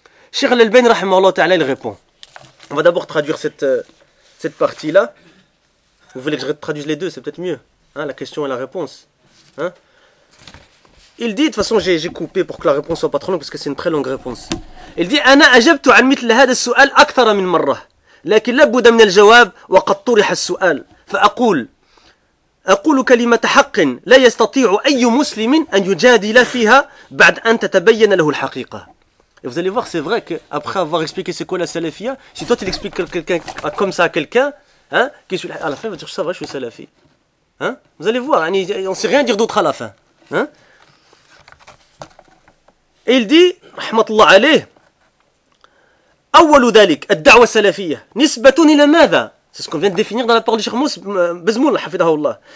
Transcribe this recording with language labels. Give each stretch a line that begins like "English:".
French: Cheikh Al-Albani, rahimahullah ta'ala, il répond. On va d'abord traduire cette partie-là. Vous voulez que je traduise les deux, c'est peut-être mieux. La question et la réponse. Il dit, de toute façon, j'ai coupé pour que la réponse soit pas trop longue, parce que c'est une très longue réponse. Il dit,
Arabic: Ana ajabtu an mithl hadha as-su'al akthar min marra. لكن لابد من الجواب وقد طرح السؤال فأقول أقول كلمة حق لا يستطيع أي مسلم أن يجادل فيها بعد أن تتبين له الحقيقة.
French: Et vous allez voir, c'est vrai qu'après avoir expliqué c'est quoi la salafia, si toi tu l'expliques quelqu'un comme ça à quelqu'un, hein, à la fin il va dire ça va, je suis salafi. Hein? Vous allez voir, on ne sait rien dire d'autre à la fin. Hein? Et il dit, rahmatullah alayh,
Arabic: أول ذلك الدعوة السلفية نسبة إلى ماذا؟
French: C'est ce qu'on vient de définir dans la parole du Cheikh Bezmoul,
Arabic: حفظه الله.